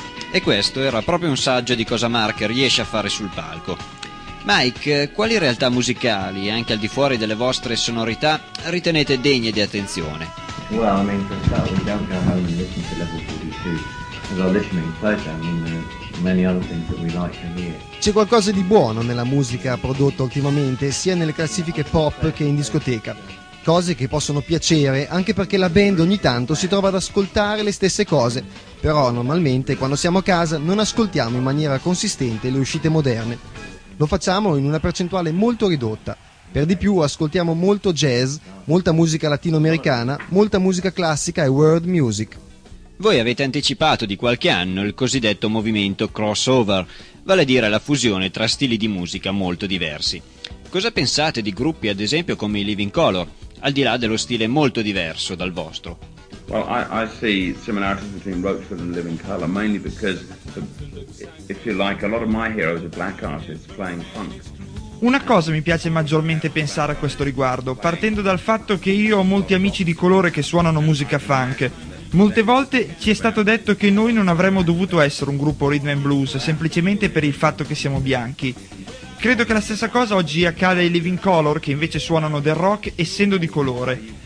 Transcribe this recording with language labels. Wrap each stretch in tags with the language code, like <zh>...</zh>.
<it>E questo era proprio un saggio di cosa Mark riesce a fare sul palco. Mike, quali realtà musicali, anche al di fuori delle vostre sonorità, ritenete degne di attenzione?</it> <en>Well, I mean, for start, we don't go home and listen to Level 42. We're listening to pleasure, I mean, many other things that we like to hear.</en> <it>C'è qualcosa di buono nella musica prodotta ultimamente, sia nelle classifiche pop che in discoteca. Cose che possono piacere, anche perché la band ogni tanto si trova ad ascoltare le stesse cose. Però normalmente, quando siamo a casa, non ascoltiamo in maniera consistente le uscite moderne. Lo facciamo in una percentuale molto ridotta. Per di più, ascoltiamo molto jazz, molta musica latinoamericana, molta musica classica e world music. Voi avete anticipato di qualche anno il cosiddetto movimento crossover, vale a dire la fusione tra stili di musica molto diversi. Cosa pensate di gruppi ad esempio come i Living Color, al di là dello stile molto diverso dal vostro?</it> <en>Well, I see similarities between Roachford and Living Color mainly because, if you like, a lot of my heroes are black artists playing funk.</en> <it>Una cosa mi piace maggiormente pensare a questo riguardo, partendo dal fatto che io ho molti amici di colore che suonano musica funk. Molte volte ci è stato detto che noi non avremmo dovuto essere un gruppo rhythm and blues, semplicemente per il fatto che siamo bianchi. Credo che la stessa cosa oggi accada ai Living Color, che invece suonano del rock essendo di colore.</it>